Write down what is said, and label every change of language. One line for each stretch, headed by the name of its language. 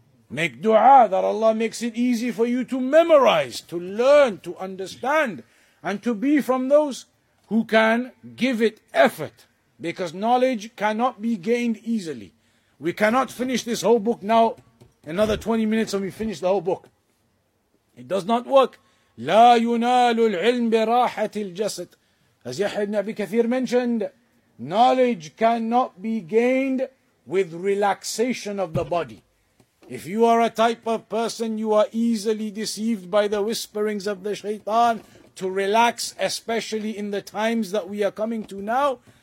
English: Make dua that Allah makes it easy for you to memorize, to learn, to understand, and to be from those who can give it effort. Because knowledge cannot be gained easily. We cannot finish this whole book now, another 20 minutes and we finish the whole book. It does not work.
Arabic: لا ينال العلم براحة الجسد.
English: As Yahya ibn Abi Kathir mentioned, knowledge cannot be gained with relaxation of the body. If you are a type of person, you are easily deceived by the whisperings of the shaitan to relax, especially in the times that we are coming to now.